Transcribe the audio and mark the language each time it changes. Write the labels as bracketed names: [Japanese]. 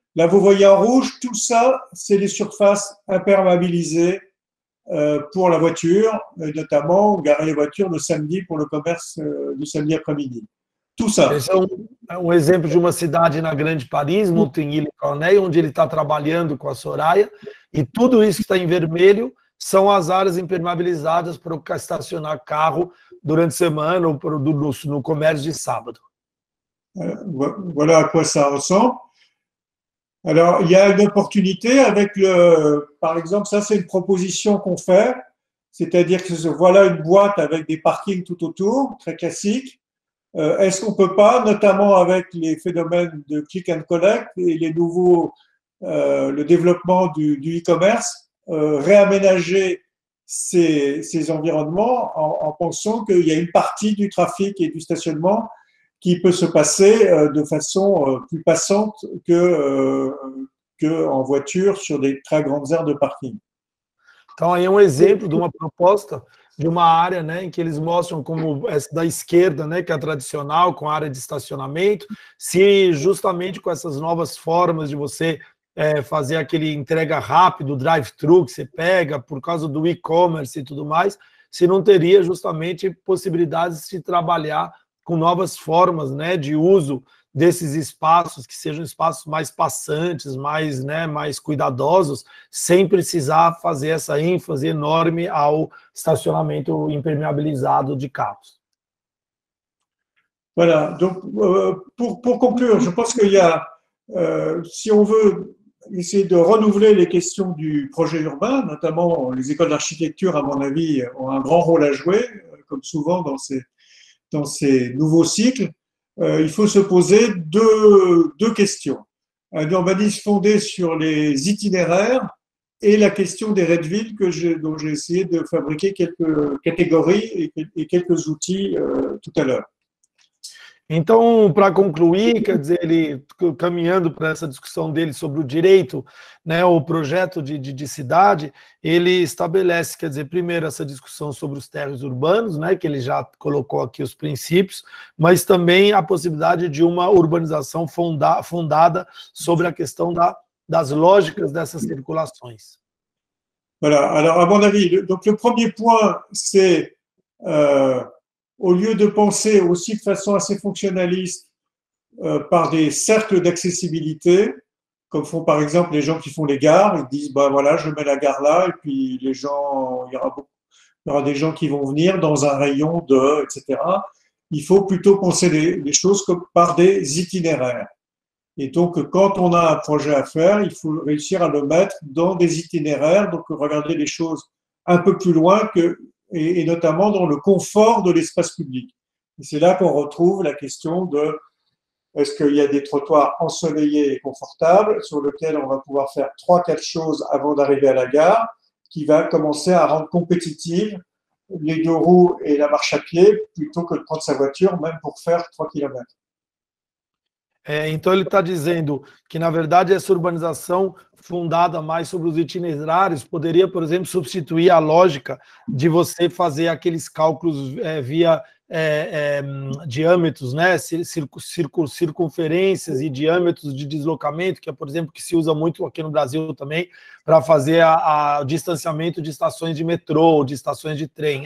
[French] Là, vous voyez en rouge, tout ça, c'est les surfaces imperméabilisées pour la voiture, notamment garer les voitures le samedi pour le commerce du samedi après-midi. Tout ça. [Portuguese] Esse é um exemplo de uma cidade na Grande Paris, Montigny-le-Conay, onde ele está trabalhando com a Soraya, e tudo isso que está em vermelho são as áreas impermeabilizadas para estacionar carro durante a semana ou pro, no comércio de sábado. [French] Voilà à quoi ça ressemble. Alors, il y a une opportunité avec le, par exemple, ça c'est une proposition qu'on fait, c'est-à-dire que voilà une boîte avec des parkings tout autour, très classique. Est-ce qu'on peut pas, notamment avec les phénomènes de click and collect et les nouveaux, le développement du e-commerce, réaménager ces environnements en pensant qu'il y a une partie du trafic et du stationnement qui peut se passer de façon plus passante que en voiture sur des très grandes aires de parking. [Portuguese] Então, aí é um exemplo de uma proposta de uma área, né, em que eles mostram como essa da esquerda, né, que é a tradicional, com a área de estacionamento, se justamente com essas novas formas de você fazer aquele entrega rápido, drive-thru que você pega, por causa do e-commerce e tudo mais, se não teria justamente possibilidades de se trabalhar com novas formas, né, de uso desses espaços, que sejam espaços mais passantes, mais, né, mais cuidadosos, sem precisar fazer essa ênfase enorme ao estacionamento impermeabilizado de carros. [French] Voilà, donc pour conclure, je pense qu'il y a si on veut essayer de renouveler les questions du projet urbain, notamment les écoles d'architecture à mon avis ont un grand rôle à jouer comme souvent dans ces nouveaux cycles. Il faut se poser deux questions. Un urbanisme fondé sur les itinéraires et la question des red villes dont j'ai essayé de fabriquer quelques catégories et quelques outils tout à l'heure. [Portuguese] Então, para concluir, quer dizer, ele caminhando para essa discussão dele sobre o direito, né, o projeto de cidade, ele estabelece, quer dizer, primeiro essa discussão sobre os terrenos urbanos, né, que ele já colocou aqui os princípios, mas também a possibilidade de uma urbanização fundada sobre a questão das lógicas dessas circulações. [French] Voilà, alors, à mon avis, donc le premier point, c'est au lieu de penser aussi de façon assez fonctionnaliste par des cercles d'accessibilité, comme font par exemple les gens qui font les gares, ils disent ben voilà, je mets la gare là, et puis les gens, il y aura des gens qui vont venir dans un rayon de, etc. Il faut plutôt penser les choses comme par des itinéraires. Et donc, quand on a un projet à faire, il faut réussir à le mettre dans des itinéraires, donc regarder les choses un peu plus loin que. Et notamment dans le confort de l'espace public. Et c'est là qu'on retrouve la question de est-ce qu'il y a des trottoirs ensoleillés et confortables sur lesquels on va pouvoir faire 3-4 choses avant d'arriver à la gare qui va commencer à rendre compétitive les deux roues et la marche à pied plutôt que de prendre sa voiture même pour faire 3 km. [Portuguese] Então ele está dizendo que, na verdade, essa urbanização fundada mais sobre os itinerários poderia, por exemplo, substituir a lógica de você fazer aqueles cálculos via diâmetros, né? circunferências e diâmetros de deslocamento, que é, por exemplo, que se usa muito aqui no Brasil também para fazer o distanciamento de estações de metrô, de estações de trem.